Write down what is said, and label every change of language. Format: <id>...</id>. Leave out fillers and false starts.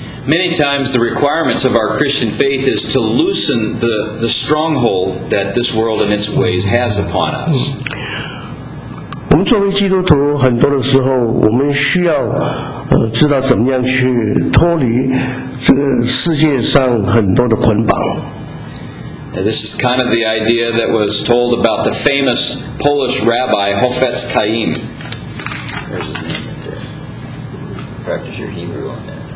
<en>Many times the requirements of our Christian faith is to loosen the stronghold that this world and its ways has upon us.</en> <zh>我们作为基督徒，很多的时候，我们需要知道怎么样去脱离这个世界上很多的捆绑。</zh> <en>This is kind of the idea that was told about the famous Polish rabbi Hofetz Chaim. There's his name right there. Practice your Hebrew on that.</en>